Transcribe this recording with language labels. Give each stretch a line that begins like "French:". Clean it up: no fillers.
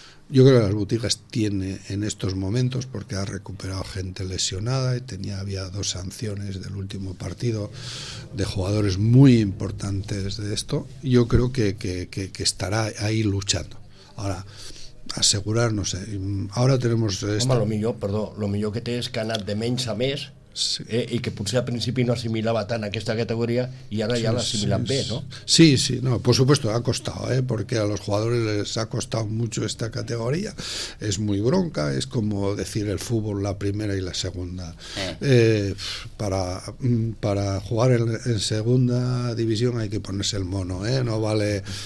Spanish: Yo creo que las boutiques tiene en estos momentos, porque ha recuperado gente lesionada y había dos sanciones del último partido de jugadores muy importantes de esto. Yo creo que estará ahí luchando. Ahora, asegurar, no sé. Ahora tenemos esto.
Catalan: Lo millor que té és que ha anat de menys a més. Sí. I que potser al principi no assimilava tant aquesta categoria i ara ja l'assimilen bé, no?
Spanish: Sí, sí, no, por supuesto, ha costado, porque a los jugadores les ha costado mucho esta categoría, es muy bronca, es como decir el fútbol la primera y la segunda. Para jugar en segunda división hay que ponerse el mono, no vale.